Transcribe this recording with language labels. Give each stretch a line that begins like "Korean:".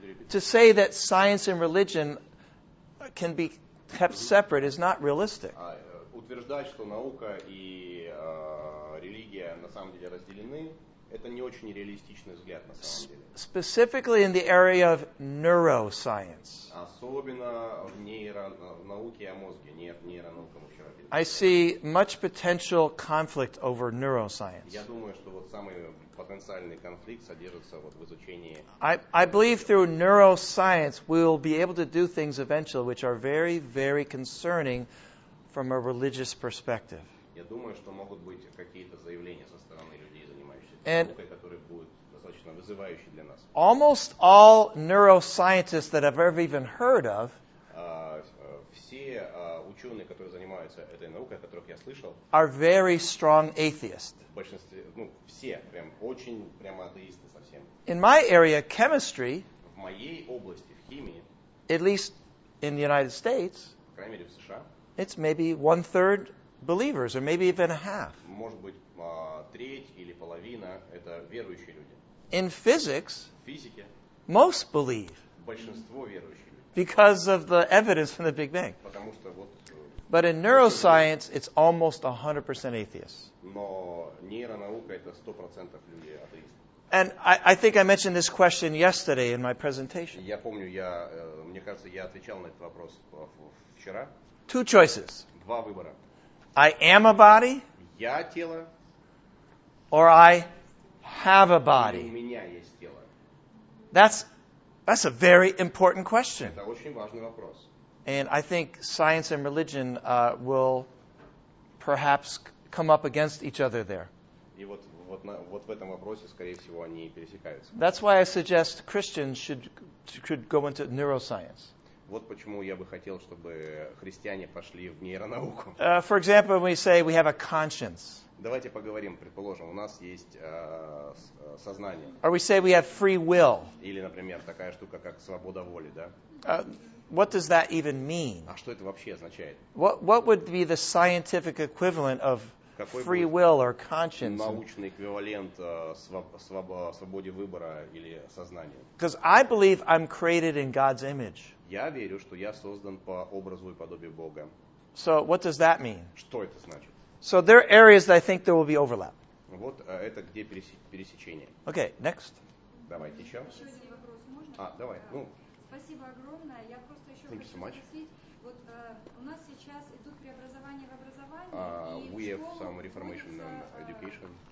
English: To say that science and religion can be kept separate is not realistic.
Russian: Утверждать, что наука и религия на самом деле разделены, это не очень реалистичный взгляд на самом деле.
English: Specifically in the area of neuroscience.
Russian: Особенно в нейронауке о мозге, нейронаука вообще.
English: I see much potential conflict over neuroscience.
Russian: Я думаю, что вот самый потенциальный конфликт содержится вот в изучении.
English: I believe through neuroscience we will be able to do things eventually which are very, very concerning from a religious perspective.
Russian: Я думаю, что могут быть какие-то заявления со стороны людей, занимающихся наукой, которые будут достаточно вызывающие для нас.
English: Almost all neuroscientists that I've ever even heard of,
Russian: все ученые, которые занимаются этой наукой, о которых я слышал,
English: are very strong atheists.
Russian: В большинстве, ну, все прям очень прямо атеисты совсем.
English: In my area, chemistry,
Russian: в моей области, в химии,
English: at least in the United States,
Russian: по крайней мере, в США,
English: it's maybe one third believers, or maybe even a half.
Russian: Может быть, треть или половина – это верующие люди.
English: In physics,
Russian: в физике,
English: most believe.
Russian: Большинство верующие люди.
English: Because of the evidence from the Big Bang.
Russian: Потому что вот
English: But in neuroscience, it's almost 100% atheists.
Russian: Но нейронаука это 100% людей атеисты.
English: And I think I mentioned this question yesterday in my presentation.
Russian: Я помню, я мне кажется, я отвечал на этот вопрос вчера.
English: Two choices.
Russian: Два выбора.
English: I am a body.
Russian: Я тело.
English: Or I have a body.
Russian: У меня есть тело.
English: That's a very important question.
Russian: Это очень важный вопрос.
English: And I think science and religion will perhaps come up against each other there.
Russian: И вот в этом вопросе, скорее всего, они пересекаются.
English: That's why I suggest Christians should go into neuroscience.
Russian: Вот почему я бы хотел, чтобы христиане пошли в нейронауку.
English: For example, we say we have a conscience.
Russian: Давайте поговорим, предположим, у нас есть сознание.
English: Or we say we have free will.
Russian: Или, например, такая штука, как свобода воли, да?
English: What does that even mean?
Russian: А что это вообще означает?
English: What would be the scientific equivalent of free will or conscience?
Russian: Научный эквивалент свободе выбора или сознания?
English: Because I believe I'm created in God's image.
Russian: Я верю, что я создан по образу и подобию Бога.
English: So what does that mean?
Russian: Что это значит?
English: So there are areas that I think there will be overlap.
Russian: Вот это где пересечение.
English: Okay, next.
Russian: Давайте еще. Еще один вопрос можно? А, давай. Ну. Спасибо огромное. Я просто еще хочу спросить. Вот у нас сейчас идут преобразования в образовании.
English: We have some reformation in education.